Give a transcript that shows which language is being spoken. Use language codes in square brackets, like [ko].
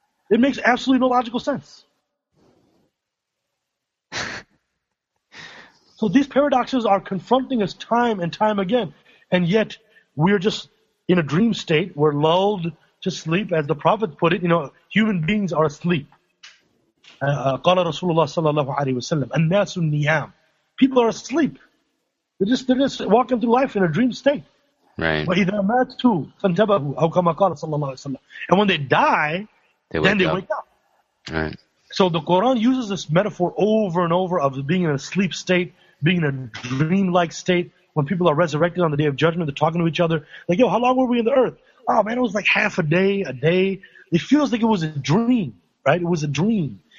[en] It makes absolutely no logical sense. So these paradoxes are confronting us time and time again. And yet we're just in a dream state. We're lulled to sleep, as the Prophet put it. You know, human beings are asleep. [ar] قال رسول الله صلى الله عليه وسلم الناس نيام. [en] People are asleep. They're just walking through life in a dream state. Right. [ar] وإذا ماتوا فانتبهوا أو كما قال صلى الله عليه وسلم. [en] And when they die, they wake up. Right. So the Quran uses this metaphor over and over of being in a sleep state, being in a dreamlike state. When people are resurrected on the Day of Judgment, they're talking to each other. Like, yo, how long were we in the earth? Oh, man, it was like half a day. It feels like it was a dream, right? It was a dream.